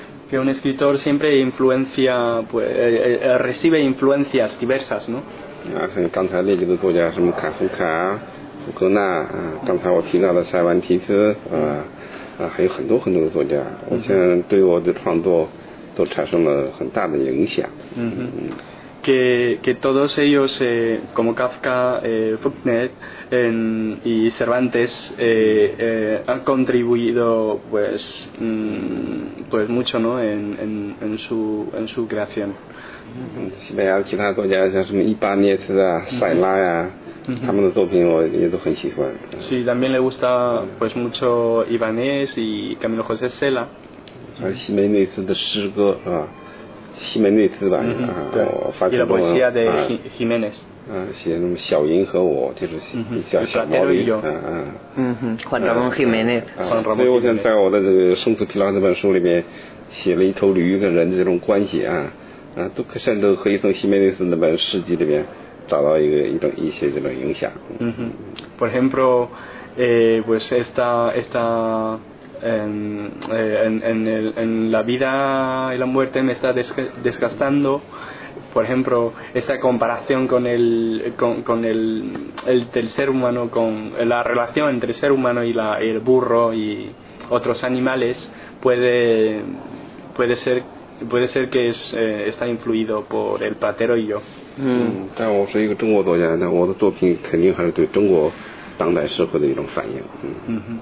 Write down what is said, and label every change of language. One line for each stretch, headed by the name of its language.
Spanish: Que un escritor siempre influencia, pues, recibe influencias diversas, ¿no?
Chinese: 像刚才列举的作家什么卡夫卡、福格纳，刚才我提到的塞万提斯，还有很多很多的作家，我想对我的创作都产生了很大的影响。
Spanish: Que todos ellos, como Kafka, Faulkner y Cervantes, han contribuido pues mucho, ¿no? en su creación.
Chinese: 西班牙其他作家像什么伊巴涅斯啊、塞拉呀、他们的作品我也都很喜欢。
Spanish: Sí, también le gusta pues mucho Ibáñez y Camilo José Cela.
Chinese: 还有西梅内斯的诗歌啊。西门内斯吧，对，伊波西亚的希门内斯，写那么小银和我，就是叫小毛驴，换成希门内斯，所以我想在我的这个《生死疲劳》这本书里面写了一头驴跟人的这种关系都可甚至可以从希门内斯那本诗集里面找到一些这种影响。
Spanish: Por ejemplo, pues esta en la vida y la muerte me está desgastando, por ejemplo esa comparación con el del ser humano, con la relación entre el ser humano y el burro y otros animales puede ser que está influido por el platero y yo.
Chinese: 但我是一个中国作家，那我的作品肯定还是对中国当代社会的一种反应。